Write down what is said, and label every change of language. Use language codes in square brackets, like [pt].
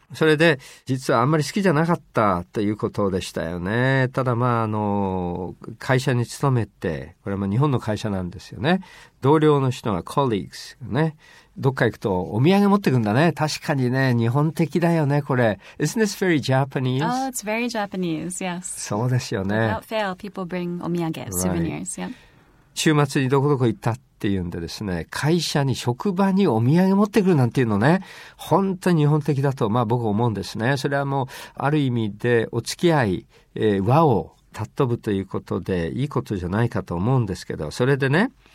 [ja] それで実はあんまり好きじゃなかったということでしたよね。ただまあ会社に勤めて、これも日本の会社なんですよね。同僚の人が colleagues ね、どっか行くとお土産持ってくんだね。確かにね、日本的だよねこれ。 [en] Isn't this very Japanese? Oh, it's very Japanese. Yes. [ja] そうですよね。 [en] Without fail, people bring お土産、right. souvenirs. Yeah. [ja] 週末にどこどこ行ったっていうんでですね、会社に職場にお土産持ってくるなんていうのね、本当に日本的だとまあ僕は思うんですね。それはもうある意味でお付き合い、和を尊ぶということでいいことじゃないかと思うんですけど、それでね。